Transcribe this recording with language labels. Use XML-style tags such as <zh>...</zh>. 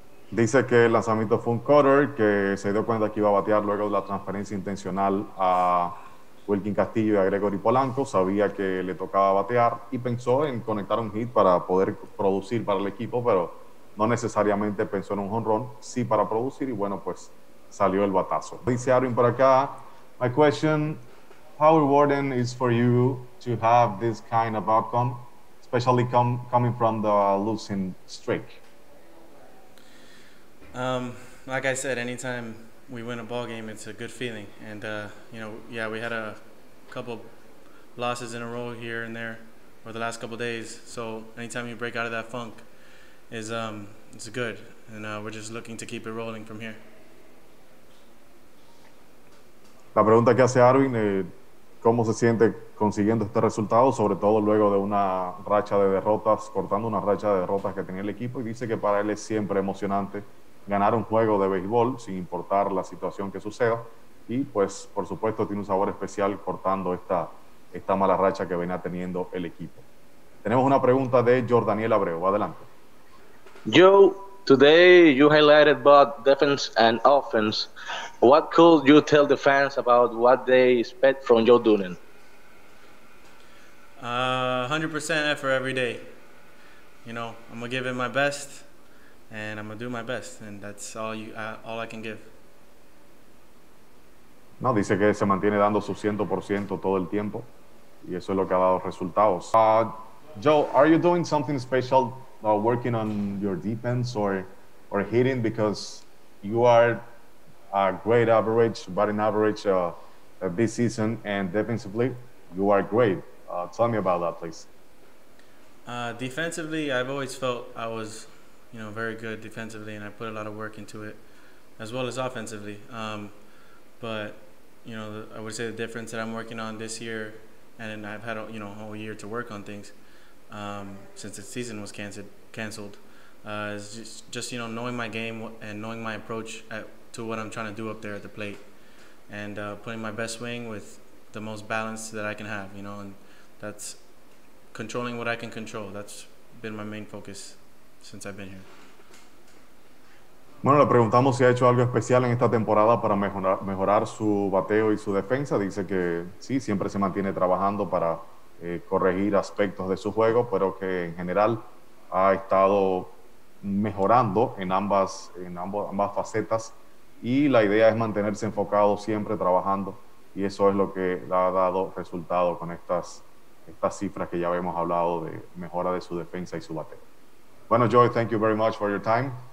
<es>Dice que el lanzamiento fue un cutter, que se dio cuenta que iba a batear luego de la transferencia intencional a Wilkin Castillo y a Gregory Polanco. Sabía que le tocaba batear y pensó en conectar un hit para poder producir para el equipo, pero no necesariamente pensó en un jonrón, sí para producir, y bueno, pues salió el batazo. Dice Arvin por acá,</es> <en>my question, how rewarding is for you to have this kind of outcome, especially coming from the losing streak? Like I said, anytime we win a ball game, it's a good feeling. And, we had a couple losses in a row here and there over the last couple days. So anytime you break out of that funk, it's good. And we're just looking to keep it rolling from here.</en> <es>La pregunta que hace Arvin, ¿cómo se siente consiguiendo este resultado? Sobre todo luego de una racha de derrotas, cortando una racha de derrotas que tenía el equipo. Y dice que para él es siempre emocionante ganar un juego de béisbol sin importar la situación que suceda, y pues por supuesto tiene un sabor especial cortando esta mala racha que venía teniendo el equipo. Tenemos una pregunta de Jordaniel Abreu, adelante.</es> <en>Joe, today you highlighted both defense and offense. What could you tell the fans about what they expect from Joe Dunan? 100% effort every day. I'm gonna give it my best. And I'm going to do my best, and that's all I can give.</en> <es>No, dice que se mantiene dando su 100% todo el tiempo, y eso es lo que ha dado resultados.</es> <en>Joe, are you doing something special, working on your defense or hitting? Because you are a great average, batting average this season, and defensively, you are great. Tell me about that, please. Defensively, I've always felt I was very good defensively, and I put a lot of work into it, as well as offensively. I would say the difference that I'm working on this year, and I've had a whole year to work on things since the season was canceled, is just knowing my game and knowing my approach to what I'm trying to do up there at the plate, and putting my best swing with the most balance that I can have, and that's controlling what I can control. That's been my main focus since I've been here.</en> <es>Bueno, le preguntamos si ha hecho algo especial en esta temporada para mejorar su bateo y su defensa. Dice que sí, siempre se mantiene trabajando para corregir aspectos de su juego, pero que en general ha estado mejorando en ambas facetas, y la idea es mantenerse enfocado, siempre trabajando, y eso es lo que ha dado resultado con estas cifras que ya habíamos hablado de mejora de su defensa y su bateo.</es> <en>Bueno, Joey, thank you very much for your time.</en>